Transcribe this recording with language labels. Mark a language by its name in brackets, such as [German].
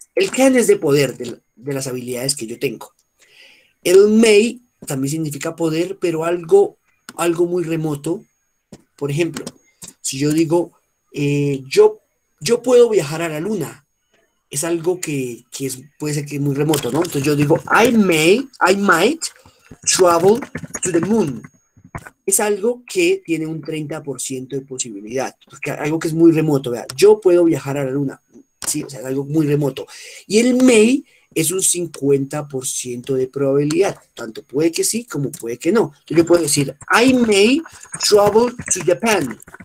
[Spanish] El can es de poder, de las habilidades que yo tengo. El may también significa poder, pero algo muy remoto. Por ejemplo, si yo digo, yo puedo viajar a la luna, es algo que puede ser que es muy remoto, ¿no? Entonces yo digo, [English] I might travel to the moon. [Spanish] Es algo que tiene un 30% de posibilidad, porque algo que es muy remoto, ¿verdad? Yo puedo viajar a la luna. Sí, o sea, es algo muy remoto. Y el may es un 50% de probabilidad. Tanto puede que sí, como puede que no. Entonces yo puedo decir, [English] I may travel to Japan.